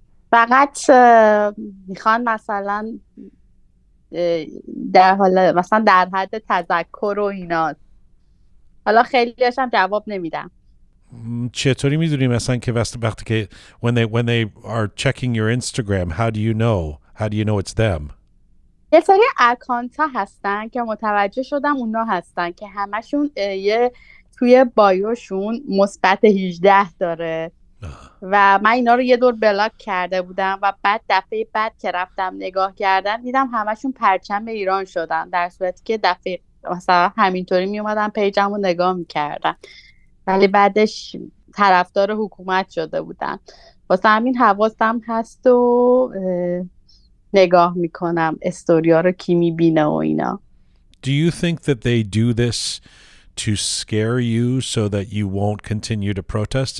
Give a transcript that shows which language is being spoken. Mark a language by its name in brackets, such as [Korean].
[Persian] فقط میخوان مثلا در حال مثلا در حد تذکر و اینا، حالا خیلیش هم جواب نمیدم. چطوری میدونی مثلا که وقتی که [English] when they are checking your Instagram, how do you know it's them? [Persian] یه سری اکانت ها هستن که متوجه شدم اونا هستن که همشون یه توی بایوشون مثبت 18 داره و من اینا رو یه دور بلاک کرده بودم و بعد دفعه بعد که رفتم نگاه کردم دیدم همشون پرچم ایران شدن، در صورتی که دفعه مثلا همینطوری می اومدم پیجم رو نگاه می کردم، ولی بعدش طرفدار حکومت شده بودن. واسه همین حواسم هست و نگاه میکنم استوریا رو کی میبینه و اینا. [English] Do you think that they do this to scare you so that you won't continue to protest?